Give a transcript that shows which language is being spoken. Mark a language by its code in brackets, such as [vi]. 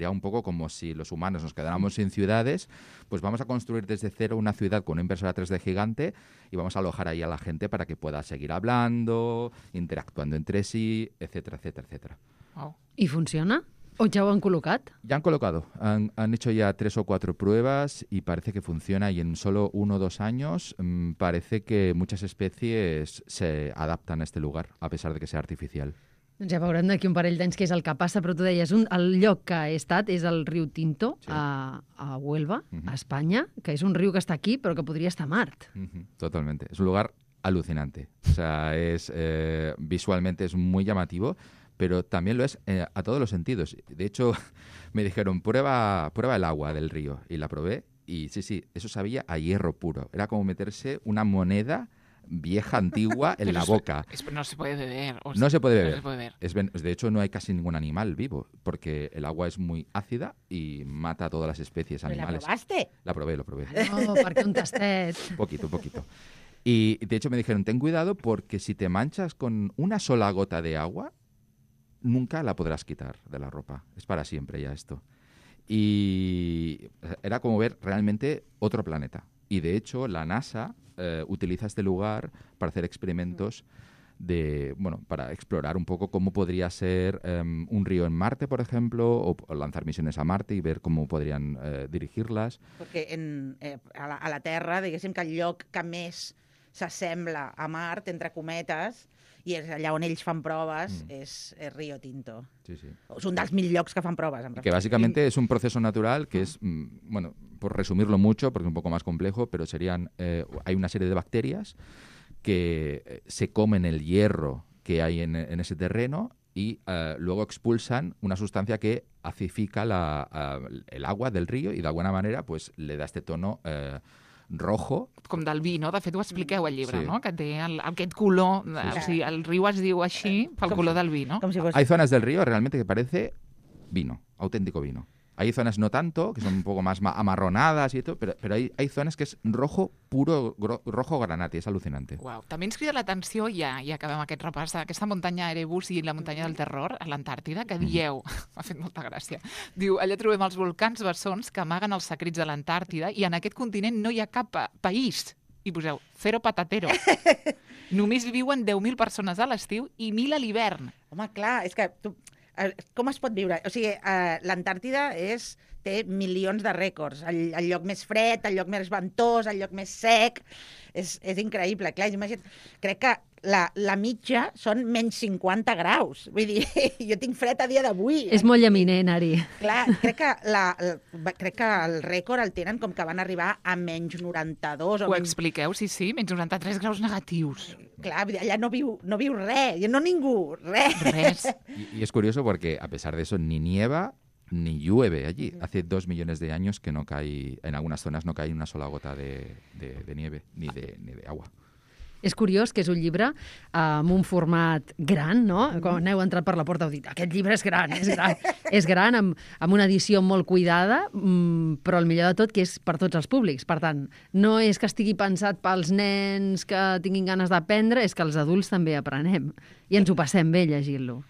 [es] Sería un poco como si los humanos nos quedáramos sin ciudades, pues vamos a construir desde cero una ciudad con una impresora 3D gigante y vamos a alojar ahí a la gente para que pueda seguir hablando, interactuando entre sí, etcétera, etcétera, etcétera. Wow. ¿Y funciona? ¿O ya lo han colocado? Ya han colocado. Han hecho ya 3 o 4 pruebas y parece que funciona. Y en solo 1 o 2 años parece que muchas especies se adaptan a este lugar, a pesar de que sea artificial. [ca] Doncs ja veurem d'aquí un parell d'anys què és el que passa, però tu deies, el lloc que he estat és el riu Tinto, sí. a Huelva, a Espanya, que és un riu que està aquí, però que podria estar a Mart. [es] Totalmente. És un lugar alucinante. O sea, visualmente es muy llamativo. Pero también lo es a todos los sentidos. De hecho, me dijeron, prueba el agua del río. Y la probé. Y sí, eso sabía a hierro puro. Era como meterse una moneda vieja, antigua, en la boca. No se puede beber. No se puede beber. De hecho, no hay casi ningún animal vivo. Porque el agua es muy ácida y mata a todas las especies animales. ¿La probaste? La probé. [ca] No, porque un tastet. [es] Un poquito. Y de hecho me dijeron, ten cuidado porque si te manchas con una sola gota de agua... nunca la podrás quitar de la ropa. Es para siempre ya esto. Y era como ver realmente otro planeta. Y de hecho, la NASA utiliza este lugar para hacer experimentos para explorar un poco cómo podría ser un río en Marte, por ejemplo, o lanzar misiones a Marte y ver cómo podrían dirigirlas. [ca] Porque a la Terra, diguéssim que el lloc que més s'assembla a Mart, entre cometes... i és allà on ells fan proves, és Rio Tinto. Sí. És un dels mil llocs que fan proves. Que bàsicament és un procés natural que és, [es] bueno, por resumirlo mucho, porque es un poco más complejo, pero serían, hay una serie de bacterias que se comen el hierro que hay en ese terreno y luego expulsan una sustancia que acifica el agua del río y de alguna manera pues le da este tono rojo. [ca] Com del vi, no? De fet, ho expliqueu al llibre, sí. No? Que té aquest color, sí, sí. O sigui, el riu es diu així pel color del vi, no? Com si fos... [es] Hay zonas del río realmente que parece vino, auténtico vino. Hay zonas no tanto, que son un poco más amarronadas y todo, pero hay zonas que es rojo puro, rojo granate, es alucinante. [ca] Uau, també ens crida l'atenció, ja acabem aquest repàs, aquesta muntanya Erebus i la muntanya del terror a l'Antàrtida, que dieu, m'ha fet molta gràcia, diu, allà trobem els volcans bessons que amaguen els secrets de l'Antàrtida i en aquest continent no hi ha cap país. I poseu, [es] cero patatero. [ca] Només viuen 10.000 persones a l'estiu i 1.000 a l'hivern. Home, clar, és que tu... Com es pot viure? O sigui, l'Antàrtida té milions de rècords. El lloc més fred, el lloc més ventós, el lloc més sec... És increïble, clar, imagina't. Crec que la mitja són menys 50 graus. Vull dir, jo tinc fred a dia d'avui. És molt llaminer, Nari. Clar, crec que el rècord el tenen com que van arribar a menys 92. Ho expliqueu, sí, menys 93 graus negatius. Clar, vull dir, allà no viu res, no ningú, res. Res. I és curioso perquè, a pesar d'això, [es] ni nieva... Ni llueve allí. Hace 2 millones de años que no cae, en algunas zonas no cae una sola gota de nieve ni de agua. [ca] És curiós que és un llibre amb un format gran, no? Quan heu entrat per la porta heu dit, aquest llibre és gran, és gran. És gran, amb una edició molt cuidada, però el millor de tot que és per tots els públics. Per tant, no és que estigui pensat pels nens que tinguin ganes d'aprendre, és que els adults també aprenem i ens ho passem bé llegint-lo.